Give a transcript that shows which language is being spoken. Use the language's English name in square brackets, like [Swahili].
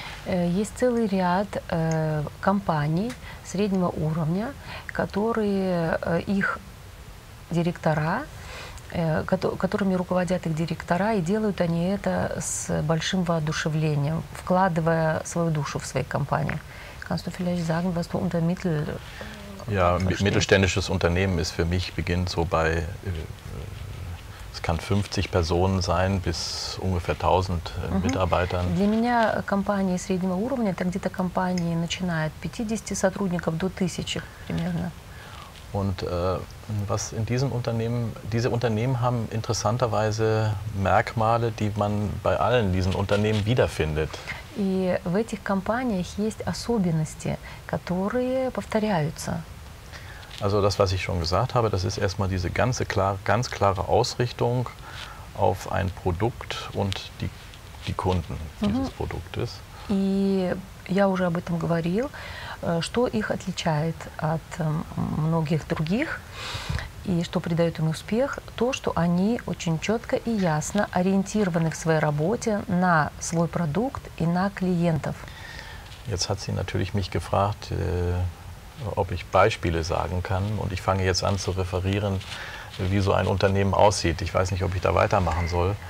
[Russian] Есть целый ряд компаний среднего уровня, которые их директора, которыми руководят их директора, и делают они это с большим воодушевлением, вкладывая свою душу в свои компании. [German] Kannst du vielleicht sagen, was du unter Mittel Ja, verstehst? Mittelständisches Unternehmen ist für mich beginnt so bei es kann 50 Personen sein bis ungefähr 1000 Mitarbeitern. [Russian] Для меня компании среднего уровня, это где-то компании начинают 50 сотрудников до 1000 примерно. [German] Und was in diesem Unternehmen, diese Unternehmen haben interessanterweise Merkmale, die man bei allen diesen Unternehmen wiederfindet. [Russian] И в этих компаниях есть особенности, которые повторяются. [German] Also das, was ich schon gesagt habe, das ist erstmal diese ganz klare Ausrichtung auf ein Produkt und die Kunden dieses Produktes. [Russian] И я уже об этом говорил. Что их отличает от многих других и что придает им успех, то, что они очень четко и ясно ориентированы в своей работе на свой продукт и на клиентов. [German] Jetzt hat sie natürlich mich gefragt, ob ich Beispiele sagen kann, und ich fange jetzt an zu referieren, wie so ein Unternehmen aussieht. Ich weiß nicht, ob ich da weitermachen soll.